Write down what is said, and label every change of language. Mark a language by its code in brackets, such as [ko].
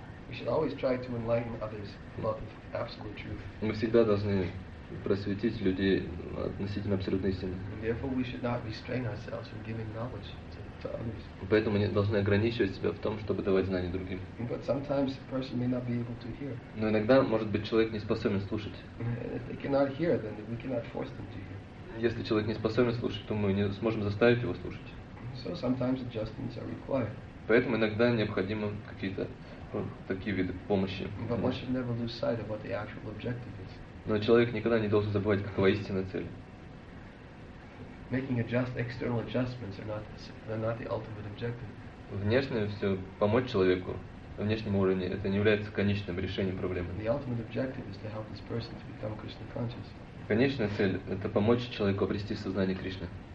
[en] We should always try to enlighten others about the absolute truth. [ru] Мы всегда должны просветить людей относительно абсолютной истины. [en] Therefore, we should not restrain ourselves from giving knowledge to others. [ru] Поэтому мы должны ограничивать себя в том, чтобы давать знания другим. [en] But sometimes a person may not be able to hear. [ru] Но иногда, может быть, человек не способен слушать. [en] If they cannot hear, then we cannot force them to hear. [ru] Если человек не способен слушать, то мы не сможем заставить его слушать. [en] So sometimes adjustments are required. [ru] Поэтому иногда необходимы какие-то такие виды помощи. [en] But one should never lose sight of what the actual objective is. [ru] Но человек никогда не должен забывать, какова истинная цель. [en] Making external adjustments are not the ultimate objective. [ru] Внешне все помочь человеку на внешнем уровне это не является конечным решением проблемы. [en] The ultimate objective is to help this person to become Krishna conscious. [ru] Конечная цель это помочь человеку обрести сознание Кришны.